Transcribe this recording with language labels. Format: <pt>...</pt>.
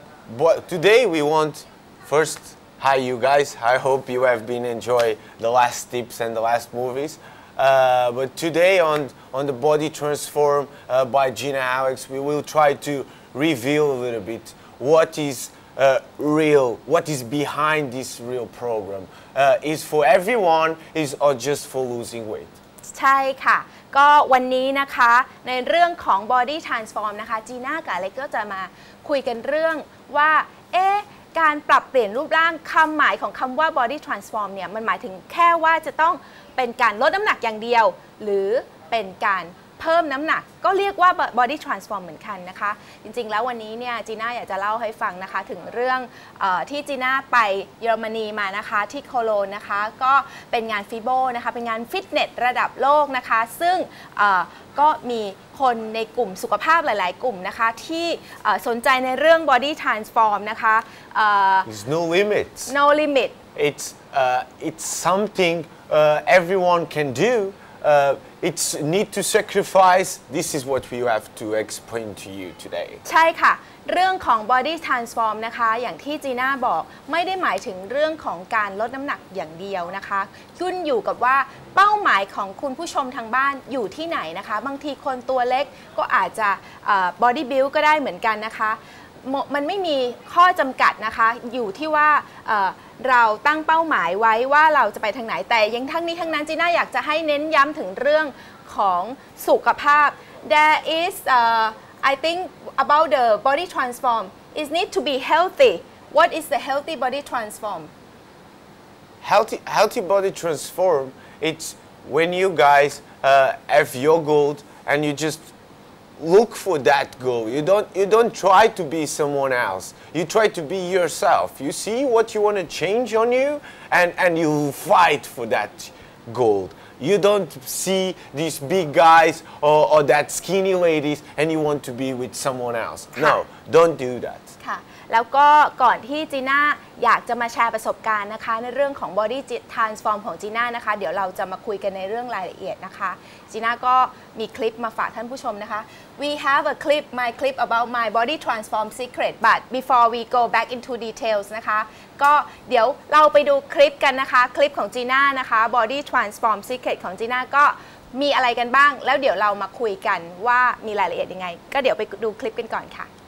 <en>But today we want first, hi you guys, I hope you have been enjoying the last tips and the last movies. But today on the Body Transform by Gina Alex, we will try to reveal a little bit what is real, what is behind this real program. Is for everyone is or just for losing weight?</en> <th>ใช่ค่ะก็วันนี้นะคะในเรื่องของ Body Transform นะคะจีน่ากับอเล็กซ์ก็จะมาคุยกันเรื่องว่าการปรับเปลี่ยนรูปร่างคำหมายของคำว่า body transform เนี่ยมันหมายถึงแค่ว่าจะต้องเป็นการลดน้ำหนักอย่างเดียวหรือเป็นการเพิ่มน้ำหนักก็เรียกว่า body transform เหมือนกันนะคะจริงๆแล้ววันนี้เนี่ยจีน่าอยากจะเล่าให้ฟังนะคะถึงเรื่อง ที่จีน่าไปเยอรมนีมานะคะที่โคโลนนะคะก็เป็นงานฟิโบนะคะเป็นงานฟิตเนสระดับโลกนะคะซึ่งก็มีคนในกลุ่มสุขภาพหลายๆกลุ่มนะคะที่สนใจในเรื่อง body transform นะคะ</th> <en>it's no limits no limit it's something everyone can dodo. It's need to sacrifice. This is what we have to explain to you today.</en> <th>ใช่ค่ะเรื่องของ body transform นะคะอย่างที่จีน่าบอกไม่ได้หมายถึงเรื่องของการลดน้ำหนักอย่างเดียวนะคะขึ้นอยู่กับว่าเป้าหมายของคุณผู้ชมทางบ้านอยู่ที่ไหนนะคะบางทีคนตัวเล็กก็อาจจะ body build ก็ได้เหมือนกันนะคะมันไม่มีข้อจำกัดนะคะอยู่ที่ว่า เราตั้งเป้าหมายไว้ว่าเราจะไปทางไหนแต่ยังทั้งนี้ทั้งนั้นจีน่าอยากจะให้เน้นย้ำถึงเรื่องของสุขภาพ</th> <en>there is I think about the body transform</en> <th>it need to be healthy what is the healthy body transform</th> <en>healthy body transform it's when you guys have your goal and you just look for that goal you don't try to be someone else you try to be yourself you see what you want to change on you and you fight for that goal you don't see these big guys or that skinny ladies and you want to be with someone else no don't do that</en> <th>ค่ะแล้วก็ก่อนที่จีน่าอยากจะมาแชร์ประสบการณ์นะคะในเรื่องของ body transform ของจีน่านะคะเดี๋ยวเราจะมาคุยกันในเรื่องรายละเอียดนะคะจีน่าก็มีคลิปมาฝากท่านผู้ชมนะคะ</th> <en>We have a clip my clip about my body transform secret but before we go back into details</en> <th>นะคะก็เดี๋ยวเราไปดูคลิปกันนะคะคลิปของจีน่านะคะ body transform secret ของจีน่าก็มีอะไรกันบ้างแล้วเดี๋ยวเรามาคุยกันว่ามีรายละเอียดยังไงก็เดี๋ยวไปดูคลิปกันก่อนค่ะ</th>